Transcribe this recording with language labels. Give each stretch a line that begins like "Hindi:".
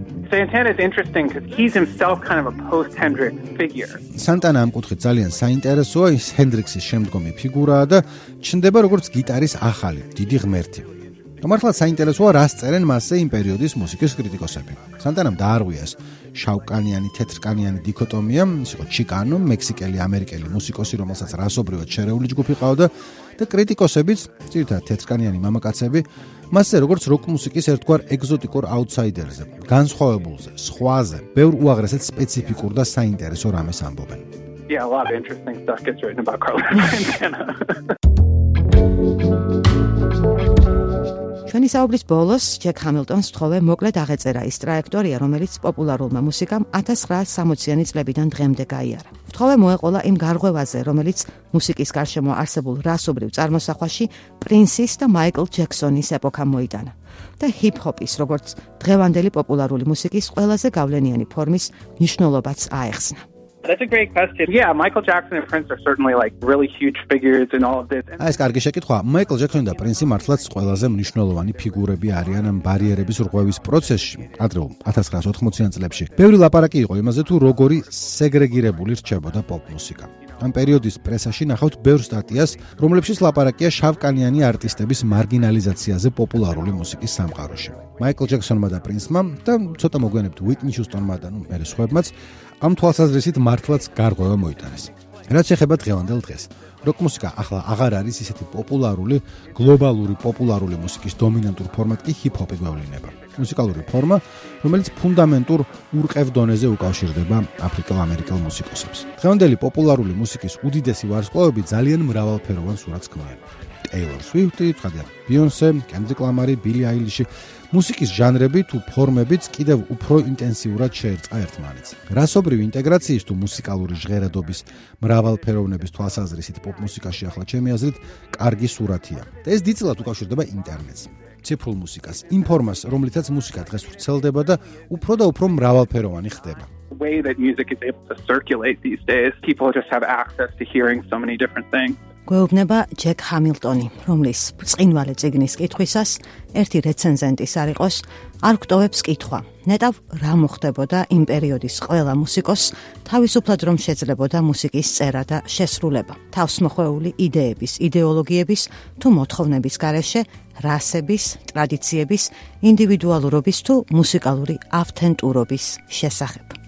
English: Santana is interesting cuz he's himself kind of a post-Hendrix figure.
Georgian: Santana ამ კუთხით ძალიან საინტერესოა, ის ჰენდრიქსის შემდგომი ფიგურაა და ჩნდება როგორც გიტარის ახალი დიდი ღმერთი. მართლაც საინტერესოა, რას წერენ მასზე იმ პერიოდის მუსიკის კრიტიკოსები. სანტანამ დაარღვია შავკანიანი თეთრკანიანი დიქოტომია, ის იყო ჩიკანო, მექსიკელი ამერიკელი მუსიკოსი, რომელსაც რასობრივად შერეული ჯგუფი ყავდა და კრიტიკოსებიც, ძირითადად თეთრკანიანი მამაკაცები, მასზე როგორც როკ მუსიკის ერთგვარ ეგზოტიკურ აუტსაიდერზე, განსხვავებულზე, სხვაზე, ბევრ უაღრესად სპეციფიკურ და საინტერესო რამეს ამბობენ.
English: Yeah, a lot of interesting stuff gets written about Carlos Santana.
Georgian: ჩვენი საუბრის ბოლოს ჯეკ ჰამილტონს თხოვე მოკლედ აღეწერა ის ტრაექტორია, რომელიც პოპულარულმა მუსიკამ 1960-იანი წლებიდან დღემდე გაიარა. თხოვე მოეყოლა იმ გარღვევაზე, რომელიც მუსიკის გარშემო არსებულ რასობრივ წარმოსახვაში პრინსის და მაიკლ ჯექსონის ეპოქა მოიტანა და ჰიპ-ჰოპის, როგორც დღევანდელი პოპულარული მუსიკის ყველაზე გავლენიანი ფორმის მნიშვნელობაც აეხსნა.
English: That's a great question. Yeah, Michael Jackson and Prince are certainly like really huge figures in all of this.
Georgian: ეს კარგი შეკითხვა. Michael Jackson და Prince მართლაც ყველაზე მნიშვნელოვანი ფიგურები არიან ბარიერების რღვევის პროცესში. ადრეულ 1980-იან წლებში ბევრი ლაპარაკი იყო იმაზე, თუ როგორი სეგრეგირებული რჩებოდა პოპ მუსიკა. ამ პერიოდის პრესაში ნახავთ ბევრ სტატიას, რომლებშიც ლაპარაკია შავკანიანი არტისტების მარგინალიზაციაზე პოპულარული მუსიკის სამყაროში. Michael Jackson-მა და Prince-მა და ცოტა მოგვიანებით Whitney Houston-მა და მეორე სხვებმაც ამ თვალსაზრისით მართლაც გარღვევა მოიტანეს. რაც ეხება დღევანდელ დღეს, როკ მუსიკა ახლა აღარ არის ისეთი პოპულარული, გლობალური პოპულარული მუსიკის დომინანტურ ფორმატ კი ჰიპ-ჰოპი გვევლინება. მუსიკალური ფორმა, რომელიც ფუნდამენტურ ურყევ დონეზე უკავშირდება აფრიკო-ამერიკელ მუსიკოსებს. დღევანდელი პოპულარული მუსიკის უდიდესი ვარსკვლავები ძალიან მრავალფეროვან სურათს ქმნიან. Taylor Swift-ი, თქვათ, Beyoncé, Kendrick Lamar-ი, Billie Eilish-ი. მუსიკის ჟანრები თუ ფორმებიც კიდევ უფრო ინტენსიურად შეერწყა ერთმანეთს. რასობრივი ინტეგრაციის თუ მუსიკალური ჟღერადობის მრავალფეროვნების თვალსაზრისით პოპ მუსიკაში ახლა ჩემი აზრით კარგი სურათია. და ეს დიდწილად უკავშირდება ინტერნეტს. ციფრულ მუსიკას, იმ ფორმას, რომლითაც მუსიკა დღეს ვრცელდება და უფრო მრავალფეროვანი ხდება.
English: The way that music is able to circulate these days, people just have access to hearing so many different things.
Georgian: გვეუბნება ჯეკ ჰამილტონი, რომლის ბწყინვალე წიგნის კითხვისას ერთი რეცენზენტის არ იყოს, არ გტოვებს კითხვა. ნეტავ რა მოხდებოდა იმ პერიოდის ყველა მუსიკოსს, თავისუფლად რომ შეძლებოდა მუსიკის წერა და შესრულება. თავსმოხვეული იდეების, იდეოლოგიების თუ მოთხოვნების გარეშე, რასების, ტრადიციების, ინდივიდუალურობის თუ მუსიკალური ავთენტურობის შესახებ.